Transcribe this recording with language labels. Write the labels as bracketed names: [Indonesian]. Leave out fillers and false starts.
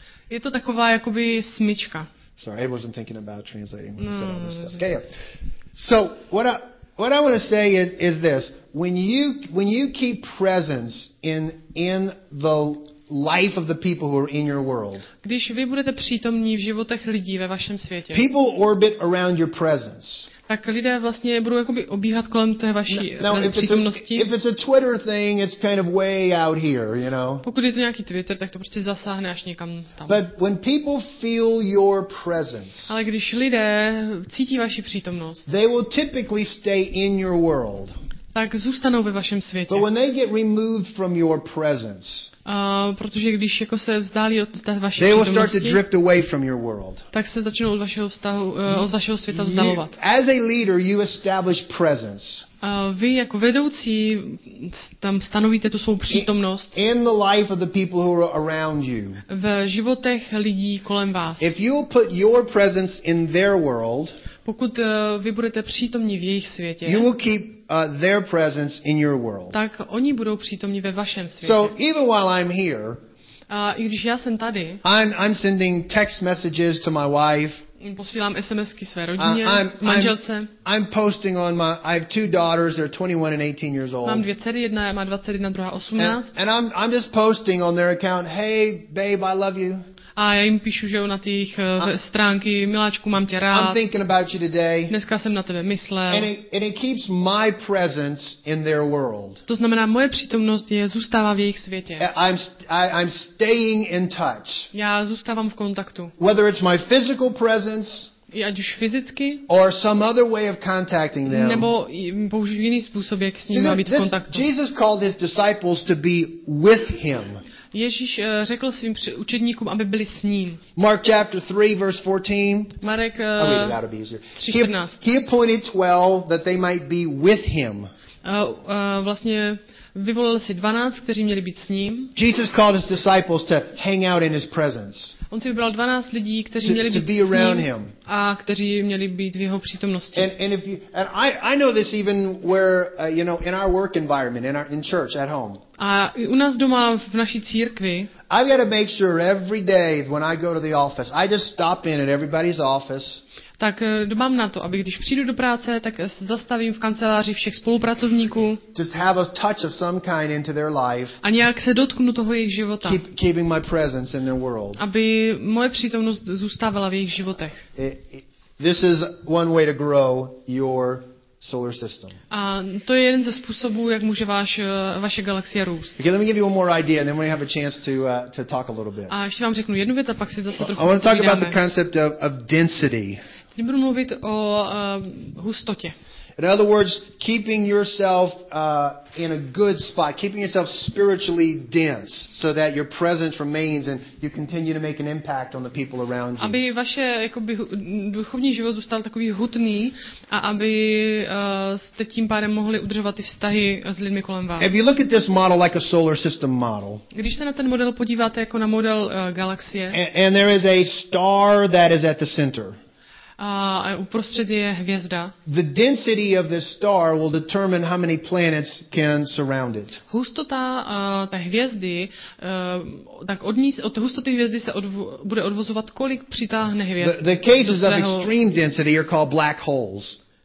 [Czech] Je to taková jakoby smyčka. [English] Sorry, I wasn't thinking about translating when I said all this stuff. Okay, yeah. So, what I want to say is this: when you keep presence in the life of the people who are in your world. [Czech] Když vy budete přítomní v životech lidí ve vašem světě. [English] People orbit around your presence. [Czech] Tak lidé vlastně budou jakoby obíhat kolem té vaší přítomnosti. [English] If it's a Twitter thing, it's kind of way out here, you know. [Czech] Pokud je to nějaký Twitter, tak to prostě zasáhne až někam tam. [English] But when people feel your presence. [Czech] Ale když lidé cítí vaši přítomnost. [English] They will typically stay in your world. [Czech] Tak zůstanou ve vašem světě. [English] But when they get removed from your presence. [Czech] Protože když jako se vzdálí od té vaší [English] they will start to drift away from your world. [Czech] Tak se začnou od vašeho vztahu, od vašeho světa vzdalovat. [English] As a leader, you establish presence. [Czech] Vy jako vedoucí tam stanovíte tu svou přítomnost. [English] In the life of the people who are around you. [Czech] V životech lidí kolem vás. [English] If you put your presence in their world. [Czech] Pokud vy budete přítomní v jejich světě. [English] You will keep their presence in your world. [Czech] Tak oni budou přítomní ve vašem světě. [English] So even while I'm here. [Czech] A i když já jsem tady. [English] I'm sending text messages to my wife. [Czech] Posílám SMSky své rodině, manželce. [English] I'm posting on my I have two daughters, they're 21 and 18 years old. [Czech] Mám dvě dcery, jedna má 21, druhá 18. [English] And I'm just posting on their account, "Hey babe, I love you." [Czech] A já jim píšu, že na těch stránky, miláčku, mám tě rád. [English] I'm thinking about you today. [Czech] Dneska jsem na tebe myslel. [English] And it keeps my presence in their world. [Czech] To znamená, moje přítomnost je zůstává v jejich světě. [English] I'm staying in touch. [Czech] Já zůstávám v kontaktu. [English] Whether it's my physical presence. [Czech] Ať už fyzicky. [English] Or some other way of contacting them. [Czech] Nebo použiju jiný způsob, jak s nimi být v kontaktu. [English] Jesus called his disciples to be with him. [Czech] Ježíš řekl svým učedníkům, aby byli s ním. [English] Mark chapter 3 verse 14. [Czech] Marek 3:14. [English] He appointed 12 that they might be with him. [Czech] Vlastně vyvolil si 12, kteří měli být s ním. [English] Jesus called his disciples to hang out in his presence. [Czech] On si vybral 12 lidí, kteří měli být [English] to be around him. [Czech] S ním a kteří měli být v jeho přítomnosti. [English] And I know this even where you know in our work environment in church at home. [Czech] A u nás doma v naší církvi. [English] I've got to make sure every day when I go to the office, I just stop in at everybody's office. [Czech] Tak dbám na to, aby když přijdu do práce, tak se zastavím v kanceláři všech spolupracovníků. [English] Just have a touch of some kind into their life. [Czech] A nějak se dotknu toho jejich života. [English] Keeping my presence in their world. [Czech] Aby moje přítomnost zůstávala v jejich životech. [English] This is one way to grow your solar system. [Czech] A to je jeden ze způsobů, jak může vaše galaxie růst. [English] Okay, let me give you one more idea and then we have a chance to talk a little bit. [Czech] A ještě vám řeknu jednu věc a pak si zase trochu [English] I want to talk about the concept of density. [Czech] Teď budu mluvit o hustotě. [English] In other words, keeping yourself in a good spot, keeping yourself spiritually dense, so that your presence remains and you continue to make an impact on the people around you. [Czech] Aby vaše jakoby duchovní život zůstal takový hutný a aby jste tím pádem mohli udržovat ty vztahy s lidmi kolem vás. [English] If you look at this model like a solar system model. [Czech] Když se na ten model podíváte jako na model galaxie. [English] And there is a star that is at the center. [Czech] A uprostřed je hvězda. [English] The density of this star will determine how many planets can surround it. [Czech] Hustota té hvězdy, tak od ní, od hustoty hvězdy se bude odvozovat, kolik přitáhne hvězda. [English] The cases of extreme density are called black holes.